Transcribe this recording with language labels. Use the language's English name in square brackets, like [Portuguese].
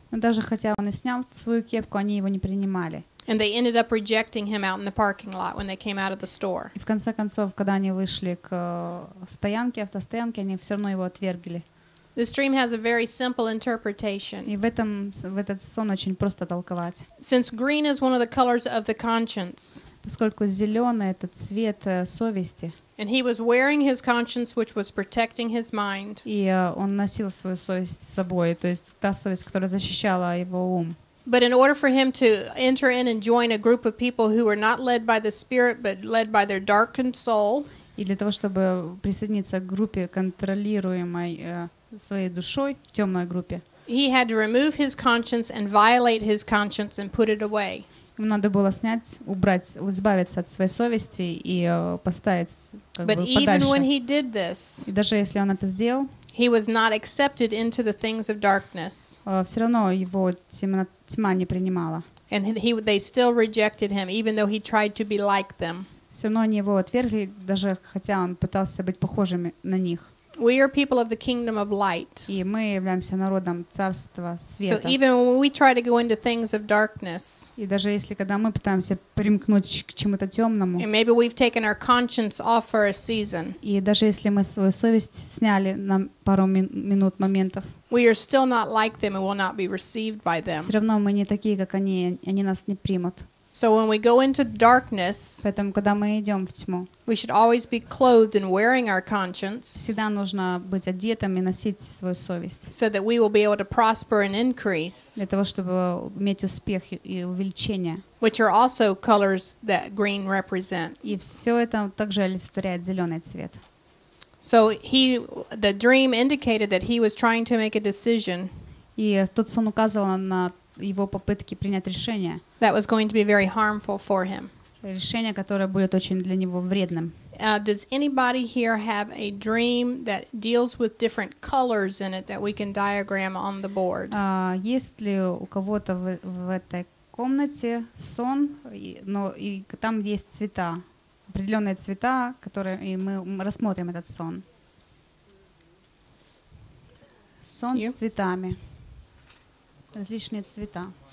[Russian] Но даже хотя он и снял свою кепку, они его не принимали. [English] And they ended up rejecting him out in the parking lot when they came out of the store. [Russian] И в конце концов, когда они вышли к стоянке, автостоянке, они все равно его отвергли. [English] This dream has a very simple interpretation. [Russian] И в этот сон очень просто толковать. [English] Since green is one of the colors of the conscience. [Russian] Поскольку зеленый это цвет совести. [English] And he was wearing his conscience, which was protecting his mind. [Russian] И он носил свою совесть с собой, то есть та совесть, которая защищала его ум. [English] But in order for him to enter in and join a group of people who were not led by the spirit, but led by their darkened soul. [Russian] И для того, чтобы присоединиться к группе контролируемой своей душой, темной группе. [English] He had to remove his conscience and violate his conscience and put it away. [Russian] Ему надо было снять, убрать, избавиться от своей совести и поставить как [English] But [Russian] бы, [English] even [Russian] подальше. [English] When he did this, [Russian] и даже если он это сделал, [English] he was not accepted into the things of darkness. [Russian] Все равно его тьма не принимала. [English] And they still rejected him, even though he tried to be like them. [Russian] Все равно они его отвергли, даже хотя он пытался быть похожим на них. [English] We are people of the kingdom of light. [Russian] И мы являемся народом царства света. [English] So even when we try to go into things of darkness. [Russian] И даже если когда мы пытаемся примкнуть к чему-то темному. [English] And maybe we've taken our conscience off for a season. [Russian] И даже если мы свою совесть сняли на пару минут моментов. [English] We are still not like them and will not be received by them. [Russian] Все равно мы не такие, как они, они нас не примут. [English] So when we go into darkness, [Russian] поэтому когда мы идем в тьму, [English] we should always be clothed and wearing our conscience. [Russian] Всегда нужно быть одетым и носить свою совесть. [English] So that we will be able to prosper and increase. [Russian] Для того чтобы иметь успех и увеличение. [English] Which are also colors that green represent. [Russian] И все это также олицетворяет зеленый цвет. [English] So the dream indicated that he was trying to make a decision. [Russian] І тут сон указывал на его попытки принять решение. [English] That was going to be very harmful for him. [Russian] Решение, которое будет очень для него вредным. [English] Does anybody here have a dream that deals with different colors in it that we can diagram on the board? [Russian] Есть ли у кого-то в этой комнате сон, но и там есть цвета, определенные цвета, которые и мы рассмотрим этот сон. Сон с цветами. Различные цвета.